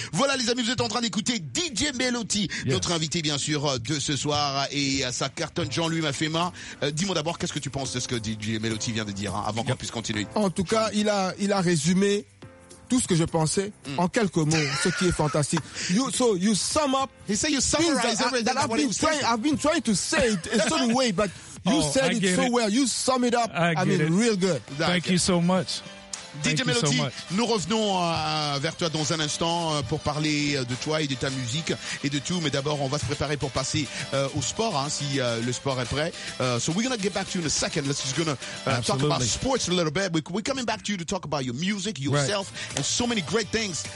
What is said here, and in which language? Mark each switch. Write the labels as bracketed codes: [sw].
[fr] Voilà, les amis, vous êtes en train d'écouter DJ Melody, notre invité, bien sûr, de ce soir. Et sa cartonne, Jean-Louis Mafema. Dis-moi d'abord, qu'est-ce que tu penses? C'est ce que DJ Melody vient de dire avant qu'on puisse continuer. En tout cas, il a résumé tout ce que je pensais en quelques mots, ce qui est fantastique. [en] You sum up. He said you summarize everything. I've been trying to say it a certain way, but you said it so well. You sum it up. I mean, real good. Thank you so much. [fr] DJ Melody, nous revenons vers toi dans un instant pour parler de toi et de ta musique et de tout. Mais d'abord, on va se préparer pour passer au sport, hein, si le sport est prêt. [en] So we're gonna get back to you in a second. Let's just gonna talk about sports a little bit. We're coming back to you to talk about your music, yourself, and so many great things.